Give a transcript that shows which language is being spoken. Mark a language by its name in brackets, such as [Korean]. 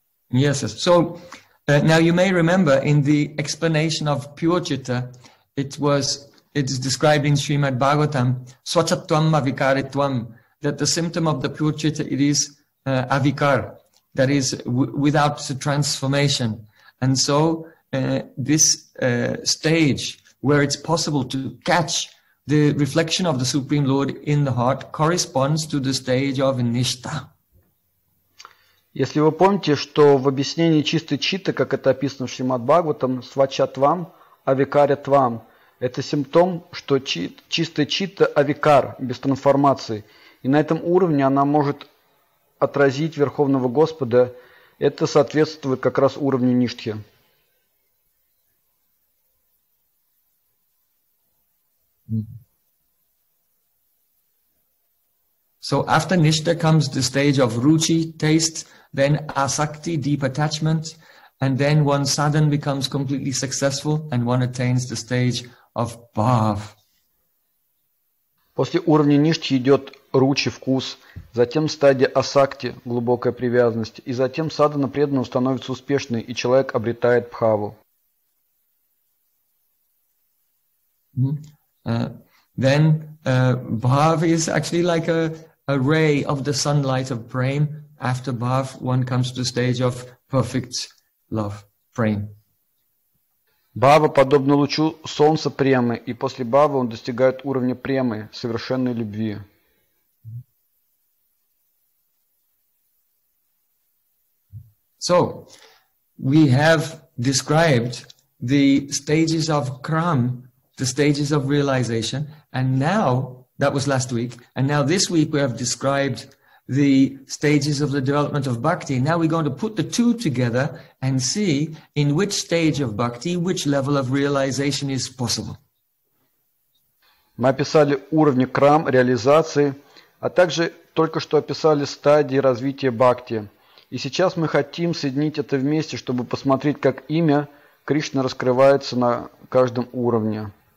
[English] Yes, so now you may remember in the explanation of pure chitta, it is described in Srimad Bhagavatam, [Sanskrit] svachattvam avikaritvam, [English] that the symptom of the pure chitta, it is avikar, that is without the transformation. And so this stage where it's possible to catch the reflection of the Supreme Lord in the heart corresponds to the stage of nishta. [Russian] Если вы помните, что в объяснении чистой читты, как это описано в Шримад Бхагаватам, [Sanskrit] свачатвам, авикаритвам, [Russian] это симптом, что чистая читта авикар, без трансформации. И на этом уровне она может отразить Верховного Господа. Это соответствует как раз уровню ништхи. [English] So after nishta comes the stage of ruchi, taste, then asakti, deep attachment, and then one sadhan becomes completely successful and one attains the stage of bhav. [Russian] После уровня ништхи идет ручи, вкус, затем стадия асакти, глубокая привязанность, и затем садхана преданного становится успешной, и человек обретает бхаву. [English] Then bhav is actually like a ray of the sunlight of prema. After bhav, one comes to the stage of perfect love, prema. [Russian] Bhava подобно лучу солнца премы, и после бхава он достигает уровня премы, совершенной любви. [English] So, we have described the stages of kram, the stages of realization, and now, that was last week, and now this week we have described the stages of the development of bhakti. Now we're going to put the two together and see in which stage of bhakti, which level of realization is possible. [Russian] Мы описали уровни крам, реализации, а также только что описали стадии развития бхакти. И сейчас мы хотим соединить это вместе, чтобы посмотреть, как имя Кришны раскрывается на каждом уровне.